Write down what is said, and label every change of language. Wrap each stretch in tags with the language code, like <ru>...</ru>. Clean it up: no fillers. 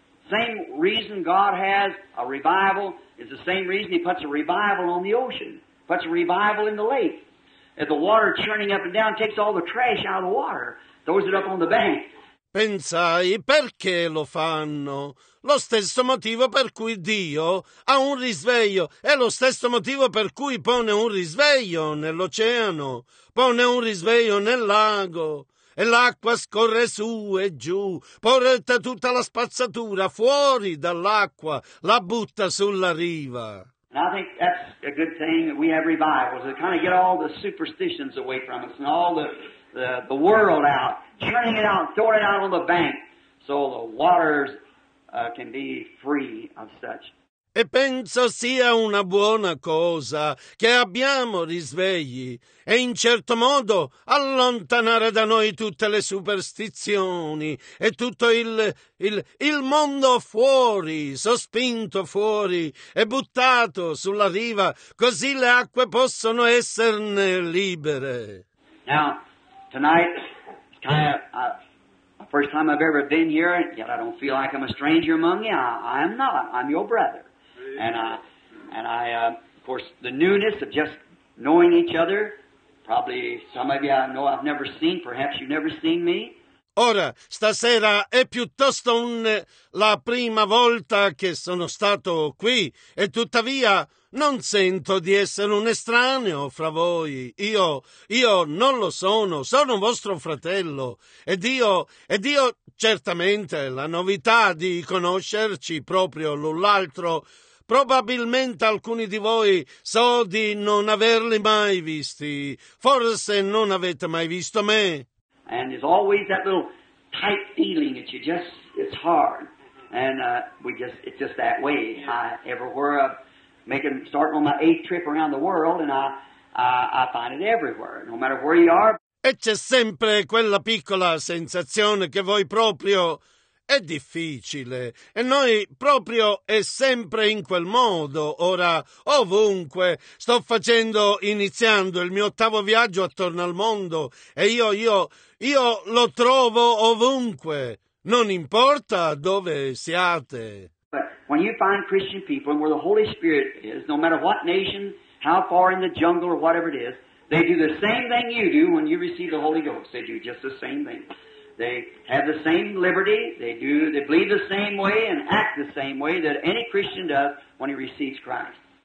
<en>Same reason God has a revival is the same reason He puts a revival on the ocean, puts a revival in the lake. If the water churning up and down takes all the trash out of the water, throws it up on the bank.</en> <it>Pensai, perché lo fanno? Lo stesso motivo per cui Dio ha un risveglio è lo stesso motivo per cui pone un risveglio nell'oceano, pone un risveglio nel lago. E l'acqua scorre su e giù, porta tutta la spazzatura fuori dall'acqua, la butta sulla riva.</it> <en>And I think that's a good thing that we have revivals, to kind of get all the superstitions away from us and all the world out, churning it out, throwing it out on the bank, so the waters can be free of such.</en> <it>E penso sia una buona cosa che abbiamo risvegli e in certo modo allontanare da noi tutte le superstizioni e tutto il mondo fuori, sospinto fuori e buttato sulla riva, così le acque possono esserne libere.</it> <en>Now, tonight, kind of the first time I've ever been here, yet I don't feel like I'm a stranger among you. I'm not. I'm your brother. Of course, the newness of just knowing each other, probably some of you I know I've never seen, perhaps you've never seen me.</en> <it>Ora, stasera è piuttosto la prima volta che sono stato qui, e tuttavia non sento di essere un estraneo fra voi. Io non lo sono, sono vostro fratello, ed io certamente la novità di conoscerci proprio l'un l'altro. Probabilmente alcuni di voi so di non averli mai visti. Forse non avete mai visto me.</it> <en>And there's always that little tight feeling that you just, it's hard. And it's just that way. I everywhere I'm starting on my eighth trip around the world and I find it everywhere, no matter where you are.</en> <it>E c'è sempre quella piccola sensazione che voi proprio... È difficile, e noi proprio è sempre in quel modo. Ora, ovunque, sto facendo, iniziando il mio ottavo viaggio attorno al mondo, e io lo trovo ovunque, non importa dove siate.</it> <en>But when you find Christian people and where the Holy Spirit is, no matter what nation, how far in the jungle or whatever it is, they do the same thing you do when you receive the Holy Ghost. They do just the same thing. They have the same liberty, they believe the same way and act the same way that any Christian does when he receives Christ.</en>